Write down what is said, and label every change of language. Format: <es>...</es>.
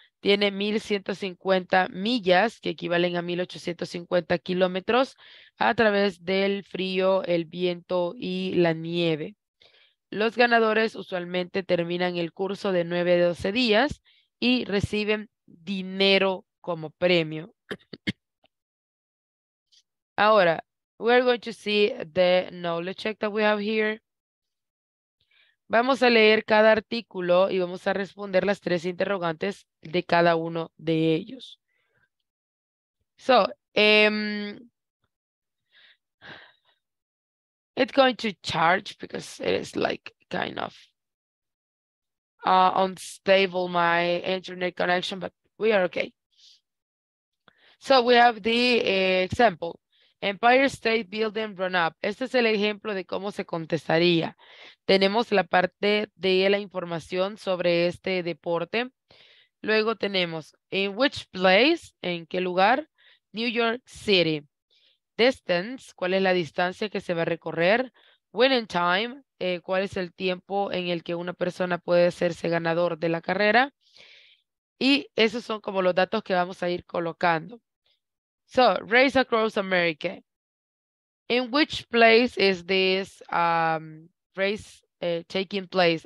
<es>Tiene 1,150 millas, que equivalen a 1,850 kilómetros, a través del frío, el viento y la nieve. Los ganadores usualmente terminan el curso de 9 a 12 días y reciben dinero como premio. Ahora,</es> <en>we're going to see the knowledge check that we have here.</en> <es>Vamos a leer cada artículo y vamos a responder las tres interrogantes de cada uno de ellos.</es> <en>So, it's going to charge because it is like kind of unstable my internet connection, but we are okay. So we have the example. Empire State Building Run Up.</en> <es>Este es el ejemplo de cómo se contestaría. Tenemos la parte de la información sobre este deporte. Luego tenemos,</es> <en>in which place,</en> <es>en qué lugar, New York City. Distance, cuál es la distancia que se va a recorrer.</es> <en>Winning time,</en> <es>cuál es el tiempo en el que una persona puede hacerse ganador de la carrera. Y esos son como los datos que vamos a ir colocando.</es> <en>So, race across America. In which place is this race taking place?</en>